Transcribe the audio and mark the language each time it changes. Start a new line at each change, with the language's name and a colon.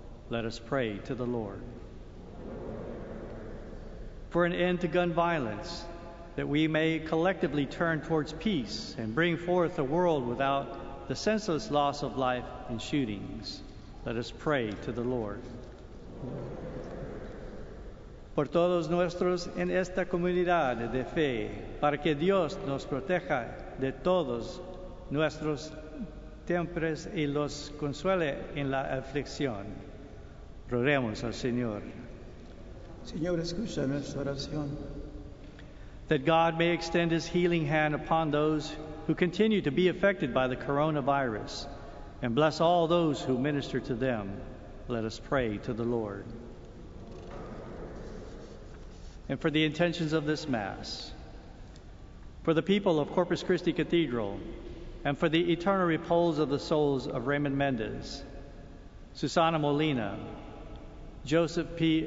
English: Let us pray to the Lord. For an end to gun violence, that we may collectively turn towards peace and bring forth a world without the senseless loss of life and shootings. Let us pray to the Lord.
Spanish: Por todos nuestros en esta comunidad de fe, para que Dios nos proteja de todos nuestros temores y los consuele en la aflicción. Roremos al Señor. Señor, escucha nuestra oración.
English: That God may extend his healing hand upon those who continue to be affected by the coronavirus and bless all those who minister to them. Let us pray to the Lord. And for the intentions of this Mass, for the people of Corpus Christi Cathedral, and for the eternal repose of the souls of Raymond Mendez, Susana Molina, Joseph P.